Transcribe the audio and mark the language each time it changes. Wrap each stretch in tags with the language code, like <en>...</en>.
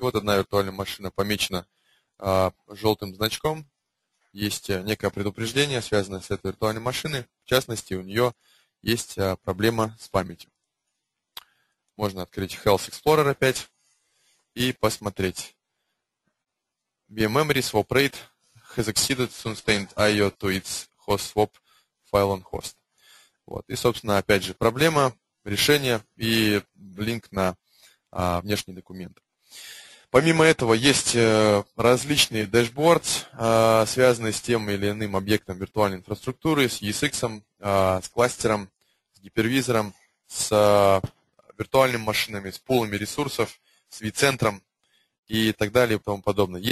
<ru>Вот одна виртуальная машина помечена желтым значком. Есть некое предупреждение, связанное с этой виртуальной машиной. В частности, у нее есть проблема с памятью. Можно открыть Health Explorer опять и посмотреть.</ru> <en>VMemory swap rate has exceeded sustained IO to its host swap file on host.</en> <ru>Вот. И, собственно, опять же, проблема, решение и линк на внешний документ. Помимо этого, есть различные дэшбордс, связанные с тем или иным объектом виртуальной инфраструктуры, с ESX, с кластером, с гипервизором, с виртуальными машинами, с пулами ресурсов, с vCenter'ом и так далее и тому подобное.</ru>